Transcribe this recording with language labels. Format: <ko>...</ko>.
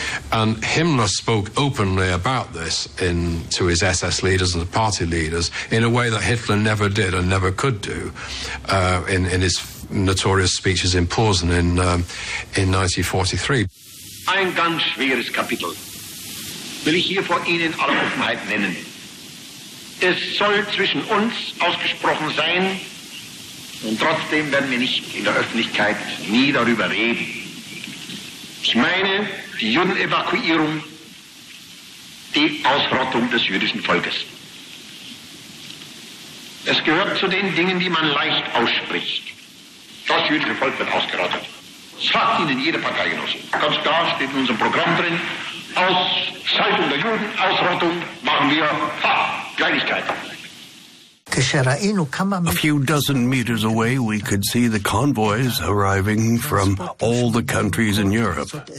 <en>And Himmler spoke openly about this to his SS leaders and party leaders in a way that Hitler never did and never could do in his notorious speeches in Posen in 1943.</en> <de>Ein ganz schweres Kapitel will ich hier vor Ihnen in aller Offenheit nennen. Es soll zwischen uns ausgesprochen sein, und trotzdem werden wir nicht in der Öffentlichkeit nie darüber reden. Ich meine die Judenevakuierung, die Ausrottung des jüdischen Volkes. Es gehört zu den Dingen, die man leicht ausspricht. Das jüdische Volk wird ausgerottet. Das sagt Ihnen jede Parteigenosse. Ganz klar steht in unserem Programm drin, Ausschaltung der Juden, Ausrottung machen wir, Kleinigkeit.</de> <en>A few dozen meters away, we could see the convoys arriving from all the countries in Europe.</en>